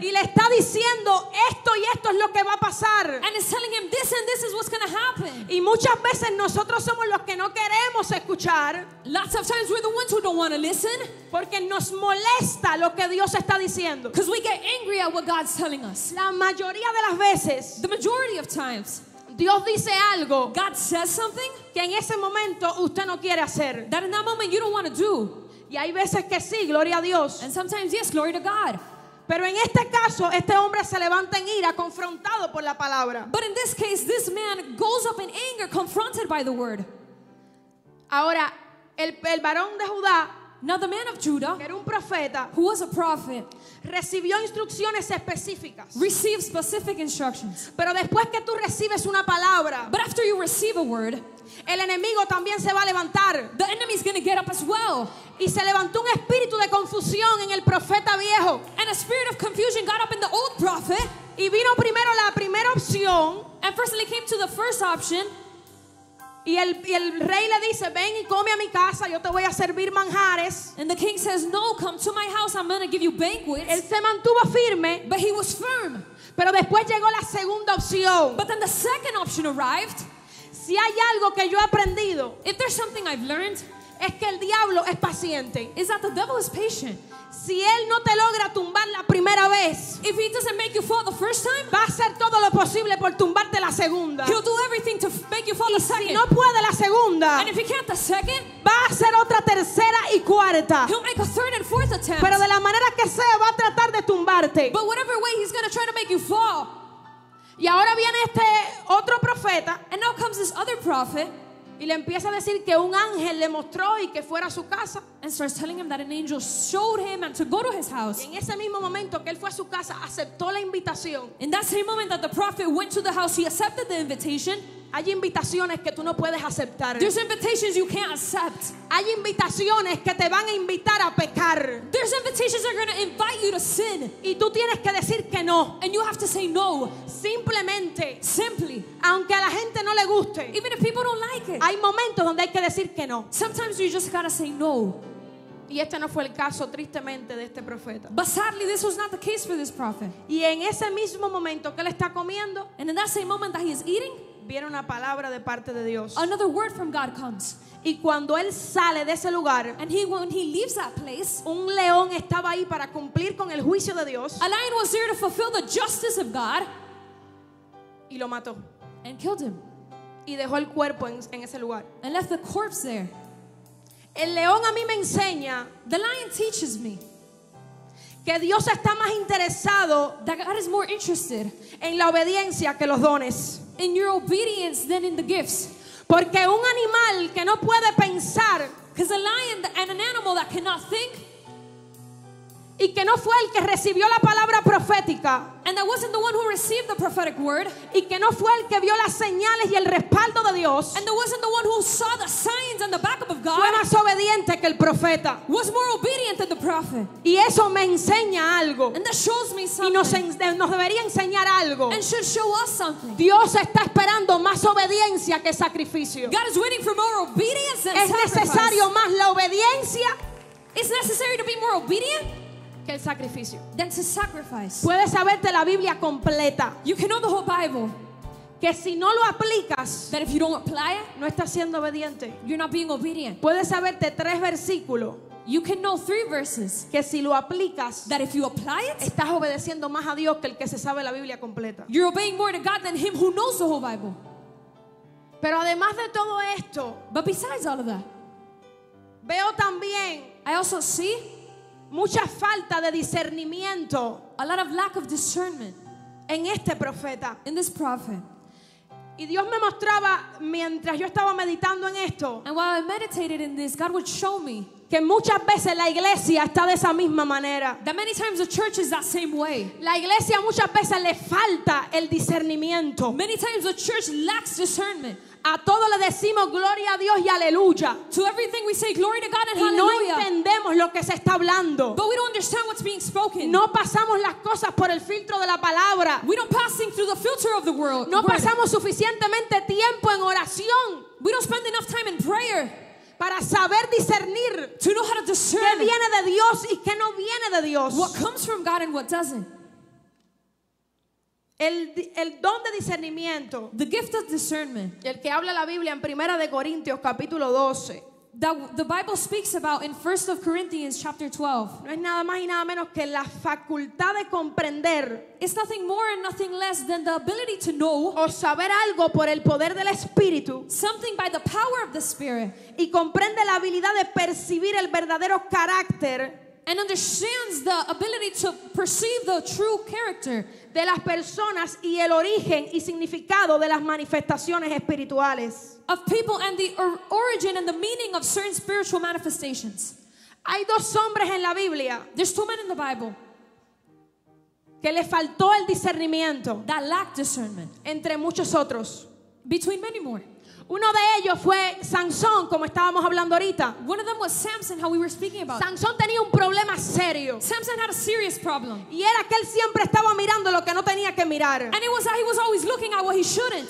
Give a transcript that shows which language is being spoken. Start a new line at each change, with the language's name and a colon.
Spanish: y le está diciendo esto y esto es lo que va a pasar,
English: and is telling him this and this is what's gonna happen,
Spanish: y muchas veces nosotros somos los que no queremos escuchar,
English: lots of times we're the ones who don't want to listen,
Spanish: porque nos molesta lo que Dios está diciendo,
English: because we get angry at what God's telling us,
Spanish: la mayoría de las veces,
English: the majority of times,
Spanish: Dios dice algo,
English: God says something,
Spanish: que en ese momento usted no quiere hacer,
English: that in that moment you don't want to do,
Spanish: y hay veces que sí, gloria a Dios,
English: and sometimes yes, glory to God,
Spanish: pero en este caso este hombre se levanta en ira confrontado por la palabra,
English: but in this case this man goes up in anger confronted by the word.
Spanish: Ahora el varón de Judá,
English: now the man of Judah,
Spanish: que era un profeta,
English: who was a prophet,
Spanish: recibió instrucciones específicas,
English: received specific instructions,
Spanish: pero después que tú recibes una palabra,
English: but after you receive a word,
Spanish: el enemigo también se va a levantar,
English: the enemy is going to get up as well,
Spanish: y se levantó un espíritu de confusión en el profeta viejo,
English: and a spirit of confusion got up in the old prophet,
Spanish: y vino primero la primera opción,
English: and firstly came to the first option,
Spanish: y el rey le dice, ven y come a mi casa, yo te voy a servir manjares.
English: And the king says, no, come to my house, I'm going to give you banquets.
Spanish: Él se mantuvo firme.
English: But he was firm.
Spanish: Pero después llegó la segunda opción.
English: But then the second option arrived.
Spanish: Si hay algo que yo he aprendido,
English: if there's something I've learned,
Spanish: es que el diablo es paciente.
English: Is that the devil is patient.
Spanish: Si él no te logra tumbar la primera vez,
English: if he doesn't make you fall the first time,
Spanish: va a hacer todo lo posible por tumbarte la segunda.
English: He'll do everything to make you fall the second.
Spanish: Y si no puede la segunda,
English: and if he can't the second,
Spanish: va a hacer otra tercera y cuarta.
English: He'll make a third and fourth attempt.
Spanish: Pero de la manera que sea, va a tratar de tumbarte.
English: But whatever way, he's going to try to make you fall.
Spanish: Y ahora viene este otro profeta,
English: and now comes this other prophet,
Spanish: y le empieza a decir que un ángel le mostró y que fuera a su casa,
English: and starts telling him that an angel showed him and to go to his house.
Spanish: Y en ese mismo momento que él fue a su casa, aceptó la invitación.
English: In that same moment that the prophet went to the house, he accepted the invitation.
Spanish: Hay invitaciones que tú no puedes aceptar.
English: There's invitations you can't accept.
Spanish: Hay invitaciones que te van a invitar a pecar.
English: There's invitations that are going to invite you to sin.
Spanish: Y tú tienes que decir que no.
English: And you have to say no.
Spanish: Simplemente.
English: Simply.
Spanish: Aunque a la gente no le guste.
English: Even if people don't like it.
Spanish: Hay momentos donde hay que decir que no.
English: Sometimes you just gotta say no.
Spanish: Y este no fue el caso, tristemente, de este profeta.
English: But sadly, this was not the case for this prophet.
Spanish: Y en ese mismo momento que él está comiendo,
English: and in that same moment that he is eating,
Spanish: viene una palabra de parte de Dios.
English: Another word from God comes.
Spanish: Y cuando él sale de ese lugar,
English: and he, when he leaves that place,
Spanish: un león estaba ahí para cumplir con el juicio de Dios.
English: A lion was there to fulfill the justice of God.
Spanish: Y lo mató.
English: And killed him.
Spanish: Y dejó el cuerpo en ese lugar.
English: And left the corpse there.
Spanish: El león a mí me enseña,
English: the lion teaches me,
Spanish: que Dios está más interesado,
English: that God is more interested,
Spanish: en la obediencia que los dones,
English: in your obedience than in the gifts.
Spanish: Porque un animal que no puede pensar,
English: because a lion and an animal that cannot think,
Spanish: y que no fue el que recibió la palabra profética,
English: and that wasn't the one who received the prophetic word,
Spanish: y que no fue el que vio las señales y el respaldo de Dios,
English: and that wasn't the one who saw the signs and the backup of God,
Spanish: fue más obediente que el profeta,
English: was more obedient than the prophet,
Spanish: y eso me enseña algo,
English: and that shows me something,
Spanish: y nos debería enseñar algo,
English: and should show us something.
Spanish: Dios está esperando más obediencia que sacrificio.
English: God is waiting for more obedience than sacrifice.
Spanish: Es necesario más la obediencia.
English: It's necessary to be more obedient
Spanish: que el sacrificio.
English: Then to sacrifice.
Spanish: Puedes saberte la Biblia completa.
English: You can know the whole Bible.
Spanish: Que si no lo aplicas,
English: that if you don't apply it,
Spanish: no estás siendo obediente.
English: You're not being obedient.
Spanish: Puedes saberte tres versículos.
English: You can know three verses.
Spanish: Que si lo aplicas,
English: that if you apply it,
Spanish: estás obedeciendo más a Dios que el que se sabe la Biblia completa.
English: You're obeying more to God than him who knows the whole Bible.
Spanish: Pero además de todo esto,
English: but besides all of that,
Spanish: veo también,
English: I also see,
Spanish: mucha falta de discernimiento,
English: a lot of lack of discernment,
Spanish: en este profeta,
English: in this prophet.
Spanish: Y Dios me mostraba mientras yo estaba meditando en esto,
English: and while I meditated in this, God would show me,
Spanish: que muchas veces la iglesia está de esa misma manera,
English: that many times the church is that same way.
Spanish: La iglesia muchas veces le falta el discernimiento,
English: many times the church lacks discernment.
Spanish: A todos le decimos gloria a Dios y aleluya,
English: to everything we say glory to God and hallelujah,
Spanish: y no entendemos lo que se está hablando,
English: but we don't understand what's being spoken.
Spanish: No pasamos las cosas por el filtro de la palabra,
English: we don't pass things through the filter of the world.
Spanish: No pasamos suficientemente tiempo en oración,
English: we don't spend enough time in prayer,
Spanish: para saber discernir,
English: to know how to discern,
Spanish: qué viene de Dios y qué no viene de Dios,
English: what comes from God and what doesn't.
Spanish: El don de discernimiento,
English: the gift of discernment,
Spanish: el que habla la Biblia en Primera de Corintios capítulo 12,
English: that the Bible speaks about in 1 Corinthians chapter 12,
Spanish: no es nada más y nada menos que la facultad de comprender,
English: it's nothing more and nothing less than the ability to know,
Spanish: o saber algo por el poder del Espíritu,
English: something by the power of the Spirit,
Spanish: y comprende la habilidad de percibir el verdadero carácter,
English: and understands the ability to perceive the true character,
Spanish: de las personas y el origen y significado de las manifestaciones espirituales,
English: of people and the origin and the meaning of certain spiritual manifestations.
Spanish: Hay dos hombres en la Biblia,
English: there's two men in the Bible,
Spanish: que le faltó el discernimiento,
English: that lacked discernment,
Spanish: entre muchos otros,
English: between many more.
Spanish: Uno de ellos fue Sansón, como estábamos hablando ahorita.
English: One of them was Samson, how we were speaking about.
Spanish: Sansón tenía un problema serio.
English: Samson had a serious problem.
Spanish: Y era que él siempre estaba mirando lo que no tenía que mirar.
English: And it was that he was always looking at what he shouldn't.